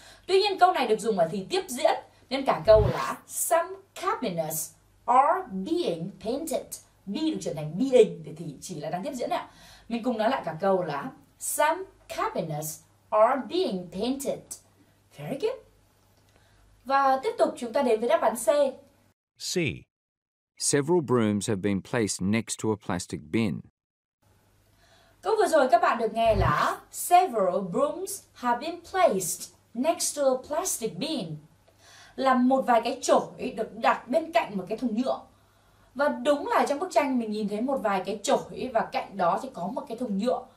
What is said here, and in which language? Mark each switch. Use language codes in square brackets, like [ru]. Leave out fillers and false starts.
[vi] Tuy nhiên câu này được dùng ở thì tiếp diễn nên cả câu là [en] some cabinets are being painted. [vi] Be được chuyển thành being thì chỉ là đang tiếp diễn ạ. Mình cùng nói lại cả câu là [en] some cabinets are being painted. Very good. [vi] Và tiếp tục chúng ta đến với đáp án C. C. [en] Several brooms have been placed next to a plastic bin. [vi] Câu vừa rồi các bạn được nghe là [en] several brooms have been placed next to a plastic bin, [vi] là một vài cái chổi được đặt bên cạnh một cái thùng nhựa. Và đúng là trong bức tranh mình nhìn thấy một vài cái chổi và cạnh đó thì có một cái thùng nhựa.